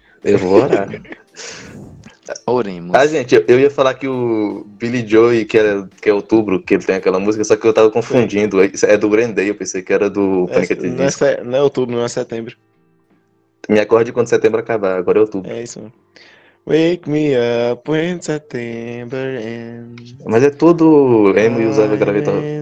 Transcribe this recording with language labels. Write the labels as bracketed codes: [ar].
[pt] eu vou orar. Oremos. Ah, gente, eu ia falar que o Billy Joe, que é outubro, que ele tem aquela música, só que eu tava confundindo. É do Green Day, eu pensei que era do Panic! At the Disco. Não é outubro, não é setembro. Me acorde quando setembro acabar, agora é outubro. É isso. [en] Wake me up when September ends. [pt] Mas é todo emo e usava gravetão.